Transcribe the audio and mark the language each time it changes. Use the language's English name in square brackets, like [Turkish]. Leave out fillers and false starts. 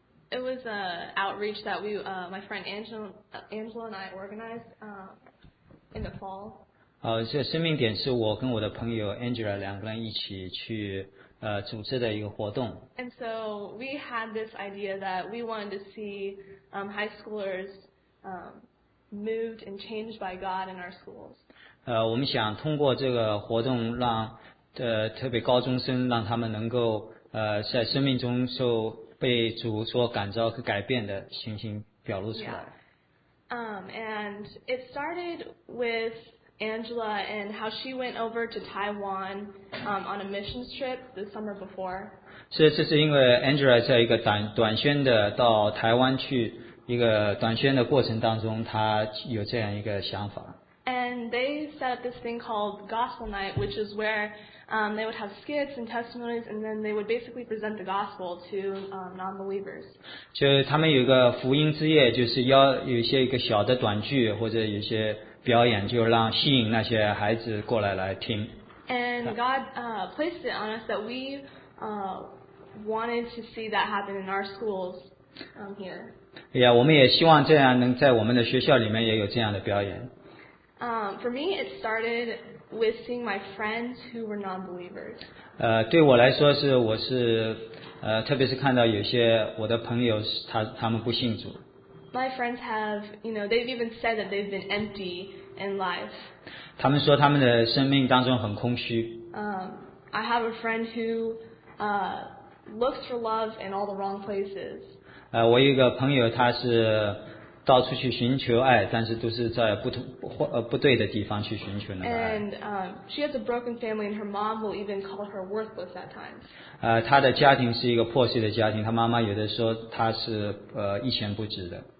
[English] It was a outreach that we, my friend Angela and I organized, in the fall. [Chinese] 这生命点是我跟我的朋友 Angela 两个人一起去。组织的一个活动。 [English] And so we had this idea that we wanted to see high schoolers moved and changed by God in our schools. [Chinese] 我们想通过这个活动让特别高中生让他们能够在生命中受被主所感召和改变的情形表露出来。 [English] Yeah. And it started with Angela and how she went over to Taiwan on a missions trip the summer before. So this is because [Chinese] Angela 在一个短宣的到台湾去一个短宣的过程当中，她有这样一个想法。 [English] And they set up this thing called Gospel Night, which is where they would have skits and testimonies, and then they would basically present the gospel to non-believers. [Chinese] 就他们有一个福音之夜，就是要有一些一个小的短剧或者有些。表演就让吸引那些孩子过来来听。 [English] And God placed it on us that we wanted to see that happen in our schools here. [Chinese] Yeah, 我们也希望这样能在我们的学校里面也有这样的表演。 [English] For me, it started with seeing my friends who were non-believers. [Chinese] 对我来说是我是特别是看到有些我的朋友他们不信主。 [English] My friends have, you know, they've even said that they've been empty in life. [Chinese] 他们说他们的生命当中很空虚。 [English] I have a friend who looks for love in all the wrong places. [Chinese] 我有一个朋友，他是到处去寻求爱，但是都是在不对的地方去寻求那个爱。 [English] And she has a broken family, and her mom will even call her worthless at times. [Chinese] 他的家庭是一个破碎的家庭，他妈妈有的说他是一钱不值的。